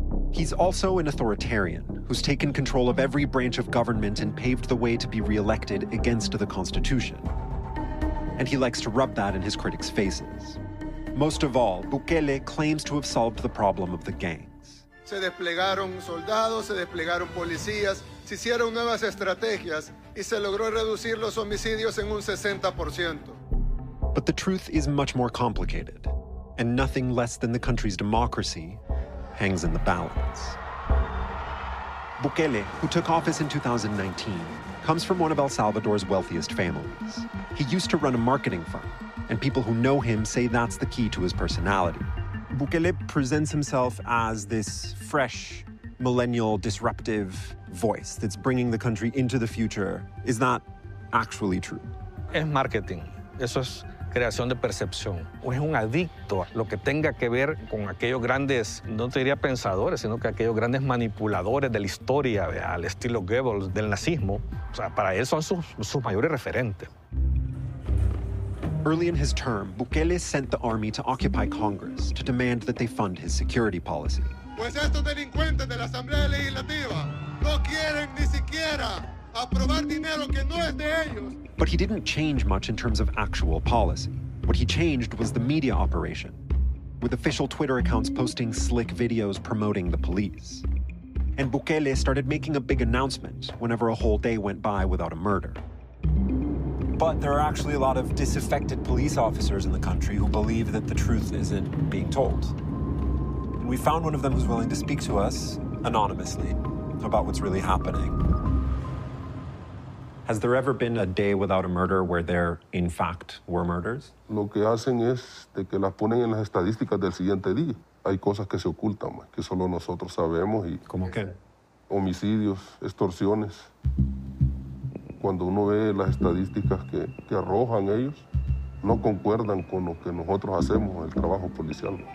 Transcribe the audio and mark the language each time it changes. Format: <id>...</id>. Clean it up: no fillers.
<en>He's also an authoritarian who's taken control of every branch of government and paved the way to be reelected against the Constitution. And he likes to rub that in his critics' faces. Most of all, Bukele claims to have solved the problem of the gangs.</en> <es>Se desplegaron soldados, se desplegaron policías, se hicieron nuevas estrategias, y se logró reducir los homicidios en un 60%.</es> <en>But the truth is much more complicated, and nothing less than the country's democracy hangs in the balance. Bukele, who took office in 2019, comes from one of El Salvador's wealthiest families. He used to run a marketing firm, and people who know him say that's the key to his personality. Bukele presents himself as this fresh, millennial, disruptive voice that's bringing the country into the future. Is that actually true?</en> <es>Es marketing. Eso es creación de percepción. O es un adicto a lo que tenga que ver con aquellos grandes, no te diría pensadores, sino que aquellos grandes manipuladores de la historia, ¿verdad? Al estilo Goebbels, del nazismo. O sea, para él son sus mayores referentes.</es> <en>Early in his term, Bukele sent the army to occupy Congress to demand that they fund his security policy.</en> <es>Pues estos delincuentes de la Asamblea Legislativa no quieren ni siquiera aprobar dinero que no es de ellos.</es> <en>But he didn't change much in terms of actual policy. What he changed was the media operation, with official Twitter accounts posting slick videos promoting the police. And Bukele started making a big announcement whenever a whole day went by without a murder. But there are actually a lot of disaffected police officers in the country who believe that the truth isn't being told. And we found one of them who's willing to speak to us anonymously about what's really happening. Has there ever been a day without a murder where there, in fact, were murders?</en> <es>Lo que hacen es de que las ponen en las estadísticas del siguiente día. Hay cosas que se ocultan, que solo nosotros sabemos. Y ¿cómo qué? Homicidios, extorsiones. Cuando uno ve las estadísticas que arrojan ellos, no concuerdan con lo que nosotros hacemos, el trabajo policial.</es>